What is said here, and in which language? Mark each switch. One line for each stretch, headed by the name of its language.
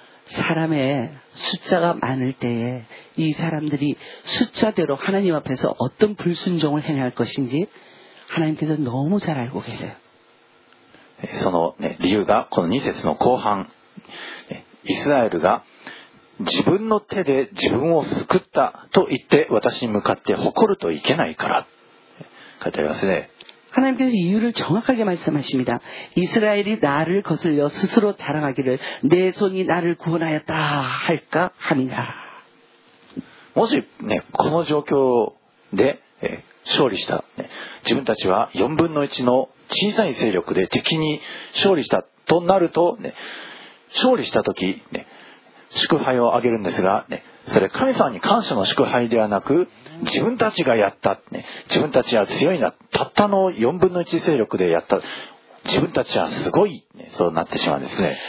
Korean: 사람의숫자가많을때에이사람들이숫자대로하나님앞에서어떤불순종을행할것인지하나님께서너무잘알고계세요。
Japanese: その、ね、理由がこの2節の後半、イスラエルが自分の手で自分を救ったと言って私に向かって誇るといけないから書いてありますね。
Korean: 하나님께서이유를정확하게말씀하십니다。 이스라엘이나를거슬려스스로자랑하기를내손이나를구원하였다할까합니다。
Japanese: もし、ね、この状況で、勝利した、ね、自分たちは4分の1の小さい勢力で敵に勝利したとなると、ね、勝利した時、ね、祝杯をあげるんですが、ね、それ神様に感謝の祝杯ではなく自分たちがやった、ね、自分たちは強いな、たったの4分の1勢力でやった、自分たちはすごい、ね、そうなってしまうんですね。